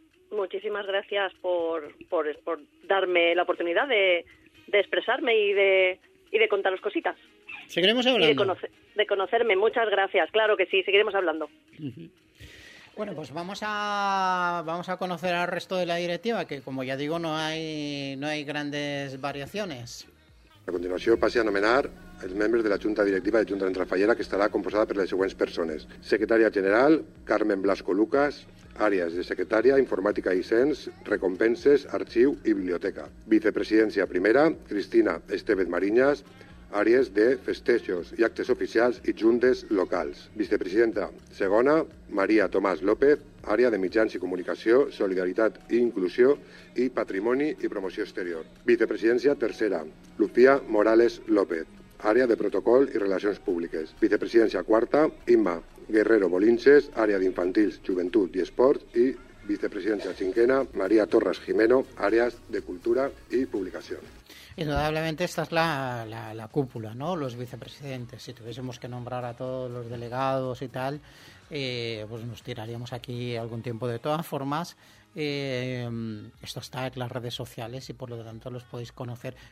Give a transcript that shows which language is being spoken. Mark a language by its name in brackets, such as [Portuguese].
[Spanish] Muchísimas gracias por darme la oportunidad de expresarme y de contaros cositas. Seguiremos hablando. Y de conocerme. Muchas gracias. Claro que sí. Seguiremos hablando. Bueno, pues vamos a conocer al resto de la directiva, que como ya digo, no hay grandes variaciones. [Catalan] A continuación pase a nomenar els membres de la Junta Directiva de Junta d'Entra Fallera, que estarà composada per les següents persones. Secretària General, Carmen Blasco Lucas. Àrees de secretària, informàtica i cens, recompenses, arxiu i biblioteca. Vicepresidència Primera, Cristina Estevez Mariñas. Àrees de festejos i actes oficials i juntes locals. Vicepresidenta Segona, Maria Tomàs López. Àrea de mitjans i comunicació, solidaritat i inclusió i patrimoni i promoció exterior. Vicepresidència Tercera, Lucía Morales López. Àrea de protocol i relacions públiques. Vicepresidència Quarta, Imma Guerrero Bolinches, àrea d'infantils, joventut i esport. I vicepresidència Cinquena, Maria Torres Jimeno, àrees de cultura i publicació. [Spanish] Indudablemente esta es la cúpula, ¿no? Los vicepresidentes. Si tuviésemos que nombrar a todos los delegados y tal, pues nos tiraríamos aquí algún tiempo. De todas formas, esto está en las redes sociales y por lo tanto los podéis conocer.